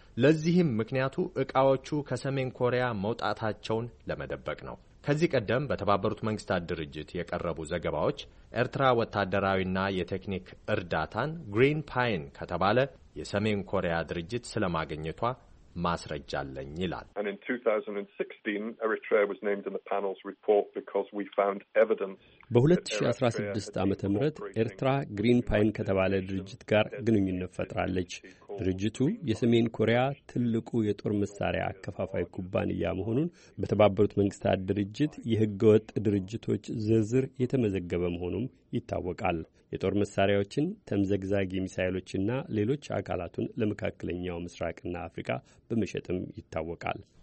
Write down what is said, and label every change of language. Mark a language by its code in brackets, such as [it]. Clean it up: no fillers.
[am] ለዚህም ምክንያቱ እቃዎቹ ከሰሜን ኮሪያ መውጣታቸውን ለመደበቅ ነው። ከዚህ ቀደም በተባበሩት መንግስታት ድርጅት የቀረቡ ዘገባዎች ኤርትራ ወታደራዊና የቴክኒክ እርዳታን ግሪን ፓይን ከተባለ የሰሜን ኮሪያ ድርጅት ስለማግኘቷ ማስረጃ አለኝ ይላል። [en] And in 2016 Eritrea was named in the panel's report because we found evidence. [am] በ2016 ዓመተ ምህረት ኤርትራ ግሪን ፓይን ከተባለ ድርጅት ጋር ግንኙነት ፈጥራለች። ድርጅቱ የሰሜን ኮሪያ ትልቁ የጦር መሳሪያ አከፋፋይ ኩባንያ መሆኑን በተባበሩት መንግስታት ድርጅት የህገወጥ ድርጅቶች ዝርዝር የተመዘገበ መሆኑም ይታወቃል። የጦር መሳሪያዎችን፣ ተምዘግዛጊ ሚሳኤሎችና ሌሎች አካላቱን ለመካከለኛው ምስራቅና አፍሪካ በመሸጥም ይታወቃል።